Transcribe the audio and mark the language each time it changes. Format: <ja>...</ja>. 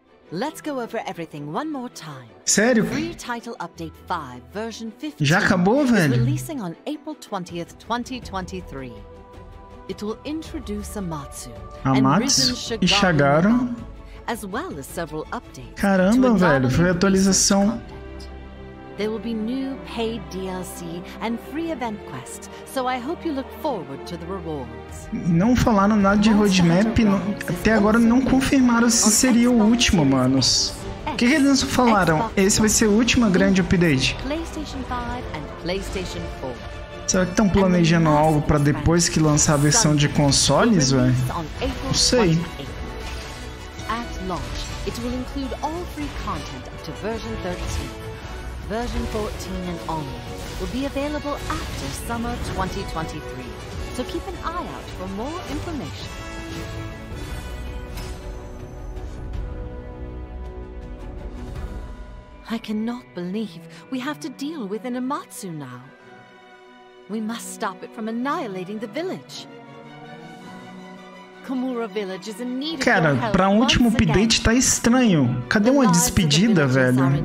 <en>Let's go over everything one more time.</en> <pt>Sério?</pt> <en>Free title update 5, version 15.</en> <pt>Já acabou, velho?</pt> <en>Is releasing on April 20th, 2023. It will introduce Amatsu.</en> <pt>Amatsu e Shagaru.</pt> <en>As well as several updates.</en> <pt>Caramba, velho, foi atualização.</pt> <en>There will be new paid DLC and free event quests, so I hope you look forward to the rewards.</en> <pt>Não falaram nada de roadmap, não, até agora não confirmaram se seria o último, manos. O que eles não falaram? Esse vai ser o último grande update.</pt> <en>PlayStation 5 and PlayStation 4.</en> <pt>Será que estão planejando algo para depois que lançar a versão de consoles, velho? Não sei.</pt> <en>At launch, it will include all free content up to version 13. Version 14 and onward will be available after summer 2023. So keep an eye out for more information. I cannot believe we have to deal with an Amatsu now. We must stop it from annihilating the village. Kamura Village is in need of your help.</en> <pt>Cara, pra um último update tá estranho. Cadê uma despedida, velho?</pt>